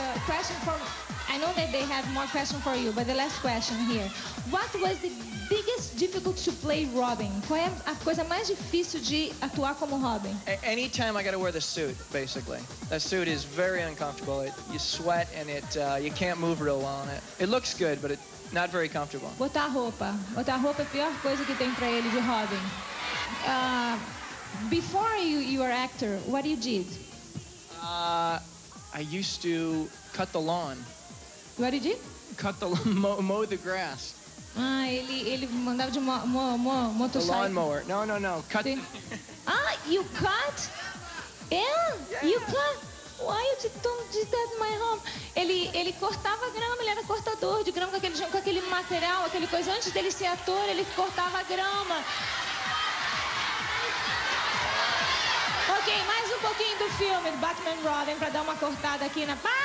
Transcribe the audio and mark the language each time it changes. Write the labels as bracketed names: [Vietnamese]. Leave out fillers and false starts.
[English] I know that they have more questions for you, but the last question here. What was the biggest difficulty to play Robin? [Portuguese] Qual é a coisa mais difícil de atuar como Robin? [English] Anytime I gotta wear the suit, basically. The suit is very uncomfortable. You sweat and you can't move real well on it. It looks good, but it's not very comfortable. [Portuguese] Botar roupa é a pior coisa que tem pra ele de Robin. [English] Before you were actor, what you did? I used to cut the lawn. What did you? Cut the lawn, mow the grass. [Portuguese] Ah, ele mandava de motorcycle. [English] The lawnmower. No. Cut. The... Ah, you cut? Yeah. You cut? Why you don't do that in my home? [Portuguese] Ele cortava grama, ele era cortador de grama com aquele material, aquele coisa. Antes dele ser ator, ele cortava grama. Ok, mais um pouquinho do filme, do Batman Robin, pra dar uma cortada aqui na...